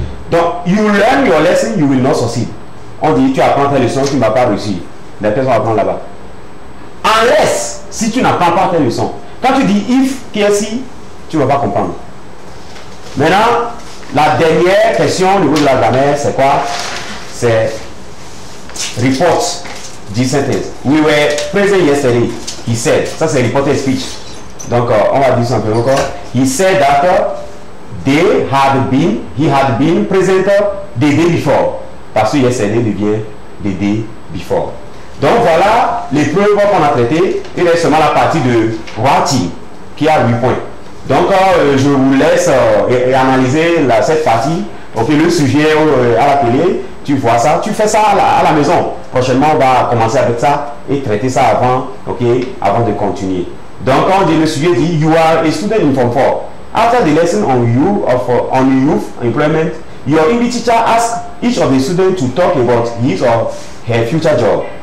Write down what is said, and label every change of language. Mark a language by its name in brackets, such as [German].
[French] Donc, [English] you learn your lesson, you will not succeed. [French] On dit, tu apprends ta leçon, tu ne vas pas réussir. Les personnes apprennent là-bas. [English] Unless, [French] si tu n'apprends pas ta leçon. Quand tu dis [English] if, [French] qui est si, tu ne vas pas comprendre. Maintenant, la dernière question au niveau de la grammaire, c'est quoi? C'est report, dit synthèse. [English] We were present yesterday, he said. [French] Ça, c'est [English] reported speech. [French] Donc, on va dire ça un peu encore. [English] He said that he had been present the day before. [French] Parce que [English] yesterday [French] devient [English] the day before. [French] Donc, voilà les preuves qu'on a traitées. Il est seulement la partie de writing qui a 8 points. Donc, je vous laisse analyser cette partie. Ok, le sujet à la télé, tu vois ça, tu fais ça à la maison. Prochainement, on va commencer avec ça et traiter ça avant, ok, avant de continuer. Donc, quand on dit le sujet, dit « [English] You are a student in Form 4. After the lesson on youth employment, your English teacher asks each of the students to talk about his or her future job.